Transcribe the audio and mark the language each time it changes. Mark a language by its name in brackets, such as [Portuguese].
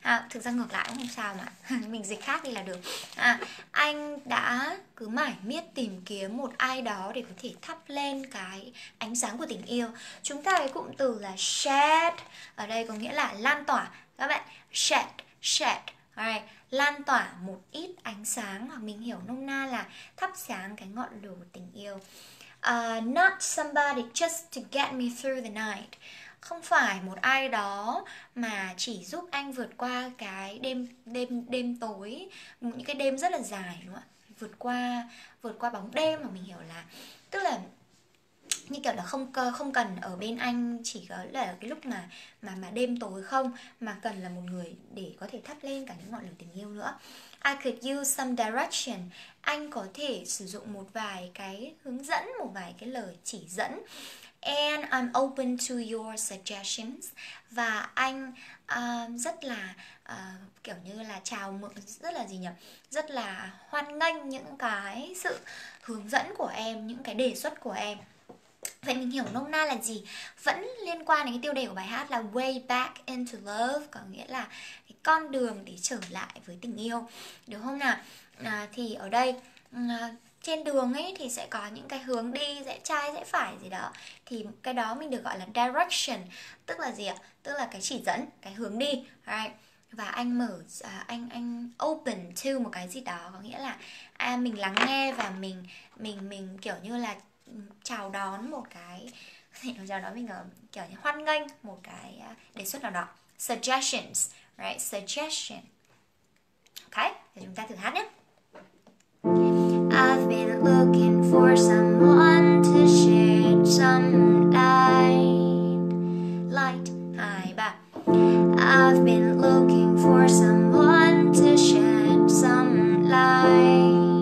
[Vietnamese] Thực ra ngược lại cũng không sao mà. Mình dịch khác đi là được. Anh đã cứ mải miết tìm kiếm một ai đó để có thể thắp lên cái ánh sáng của tình yêu. Chúng ta cái cụm từ là shed ở đây có nghĩa là lan tỏa các bạn. Shed. Alright, lan tỏa một ít ánh sáng, hoặc mình hiểu nôm na là thắp sáng cái ngọn lửa tình yêu. [English] Not somebody just to get me through the night. [Vietnamese] Không phải một ai đó mà chỉ giúp anh vượt qua cái đêm tối, những cái đêm rất là dài đúng không ạ? Vượt qua bóng đêm, mà mình hiểu là tức là như kiểu là không cần ở bên anh chỉ có là cái lúc mà đêm tối không, mà cần là một người để có thể thắp lên cả những ngọn lửa tình yêu nữa. [English] I could use some direction. [Vietnamese] Anh có thể sử dụng một vài cái hướng dẫn, một vài cái lời chỉ dẫn. [English] And I'm open to your suggestions. [Vietnamese] Và anh rất là kiểu như là chào mừng, rất là gì nhỉ? Rất là hoan nghênh những cái sự hướng dẫn của em, những cái đề xuất của em. Vậy mình hiểu nôm na là gì? Vẫn liên quan đến cái tiêu đề của bài hát là Way Back Into Love, có nghĩa là cái con đường để trở lại với tình yêu, đúng không nào? Thì ở đây trên đường ấy thì sẽ có những cái hướng đi, rẽ trái, rẽ phải gì đó. Thì cái đó mình được gọi là direction. Tức là gì ạ? Tức là cái chỉ dẫn, cái hướng đi. Right. Và anh mở, anh open to một cái gì đó, có nghĩa là mình lắng nghe và mình kiểu như là chào đón một cái, chào đón mình ở kiểu như hoan nghênh một cái đề xuất nào đó. [English] Suggestions, right? [Vietnamese] Suggestion. Ok, thì chúng ta thử hát nhé. [English] I've been looking for someone to shed some light. Light, 2, 3. I've been looking for someone to shed some light.